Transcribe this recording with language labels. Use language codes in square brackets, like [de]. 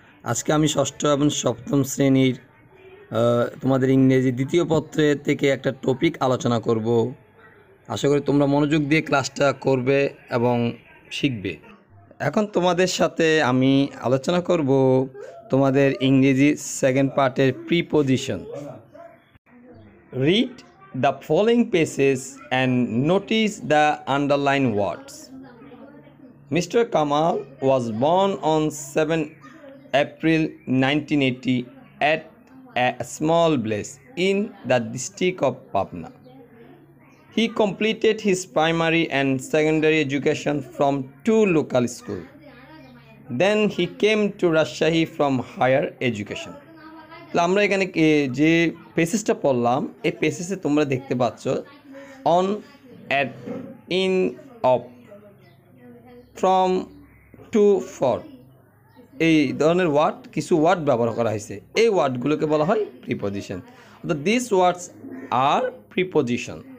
[bn] আজকে আমি ষষ্ঠ এবং সপ্তম শ্রেণীর তোমাদের ইংরেজি দ্বিতীয় পত্রের থেকে একটা টপিক আলোচনা করব। আশা করি তোমরা মনোযোগ দিয়ে ক্লাসটা করবে এবং শিখবে। এখন তোমাদের সাথে আমি আলোচনা করব তোমাদের ইংরেজি সেকেন্ড পার্টের preposition. [en] Read the following pages and notice the underlined words. Mr. Kamal was born on 7 April 1980 at a small place in the district of Patna. He completed his primary and secondary education from two local schools. Then he came to Rajshahi from higher education. [bn] তো আমরা এখানে যে পেসেসটা পড়লাম, এই পেসেসে তোমরা দেখতে পাচ্ছ on, at, in, of, from, two, for, এই ধরনের ওয়ার্ড, কিছু ওয়ার্ড ব্যবহার করা হয়েছে। এই ওয়ার্ডগুলোকে বলা হয় প্রিপজিশন। অর্থাৎ [en] This words are preposition.